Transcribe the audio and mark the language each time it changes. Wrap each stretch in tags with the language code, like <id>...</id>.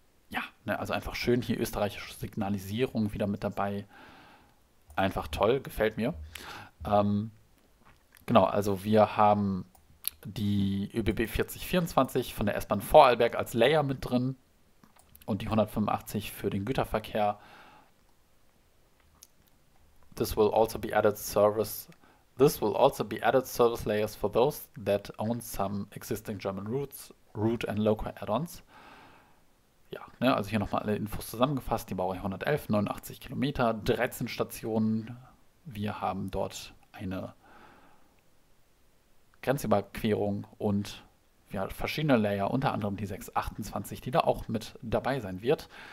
<de>Ja, ne, also einfach schön hier österreichische Signalisierung wieder mit dabei. Einfach toll, gefällt mir. Genau, also wir haben die ÖBB 4024 von der S-Bahn Vorarlberg als Layer mit drin und die 185 für den Güterverkehr.</de> <en>This will also be added service layers for those that own some existing German routes, route and local add-ons.</en> <de>Ja, ne, also hier nochmal alle Infos zusammengefasst. Die Baureihe 111, 89 Kilometer, 13 Stationen. Wir haben dort eine Grenzüberquerung und ja, verschiedene Layer, unter anderem die 628, die da auch mit dabei sein wird.</de>